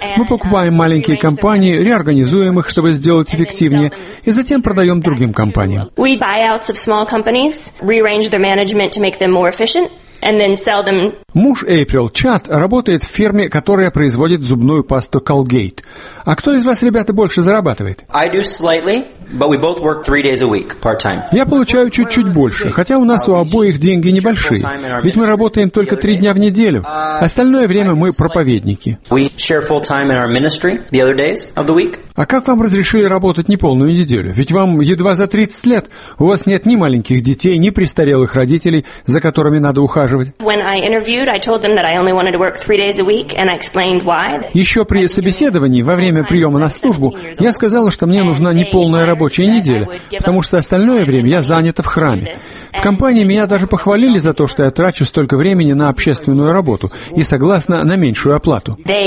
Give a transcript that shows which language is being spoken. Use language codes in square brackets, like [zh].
[ru] Мы покупаем маленькие компании, реорганизуем их, чтобы сделать эффективнее, и затем продаем другим компаниям. Мы покупаем маленькие компании, Муж Эйприл, Чад, работает в фирме, которая производит зубную пасту Colgate. А кто из вас, ребята, больше зарабатывает? [en] I do slightly. But we both work 3 days a week, part-time. [ru] Я получаю чуть-чуть больше, хотя у нас у обоих деньги небольшие, ведь мы работаем только 3 дня в неделю. Остальное время мы проповедники. [en] We share full-time in our ministry the other days of the week. [ru] А как вам разрешили работать неполную неделю? Ведь вам едва за 30 лет. У вас нет ни маленьких детей, ни престарелых родителей, за которыми надо ухаживать. [en] When I interviewed, I told them that I only wanted to work 3 days a week, and I explained why. [ru] Еще при собеседовании, во время приема на службу, я сказала, что мне нужна неполная рабочая неделя, потому что остальное время я занята в храме. В компании меня даже похвалили за то, что я трачу столько времени на общественную работу и согласна на меньшую оплату.